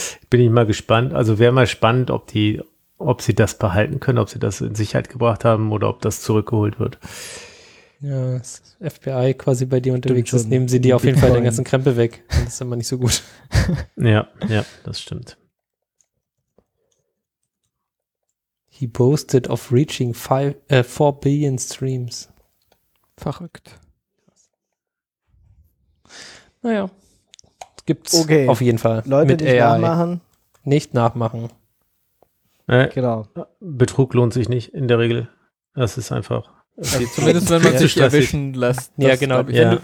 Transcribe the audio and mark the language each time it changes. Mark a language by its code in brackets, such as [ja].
[de] Bin ich mal gespannt, also wäre mal spannend, ob sie das behalten können, ob sie das in Sicherheit gebracht haben oder ob das zurückgeholt wird. Ja, das FBI quasi bei dir unterwegs ist, nehmen sie dir auf jeden Fall den ganzen Krempel weg. Das ist immer nicht so gut. Ja, das stimmt. [en] He boasted of reaching 4 billion streams. [de] Verrückt. Naja, gibt's auf jeden Fall. Leute, mit AI. Nicht nachmachen. Genau. Betrug lohnt sich nicht in der Regel. Das ist einfach. Okay, zumindest wenn man sich erwischen lässt. Ja, genau. Ja.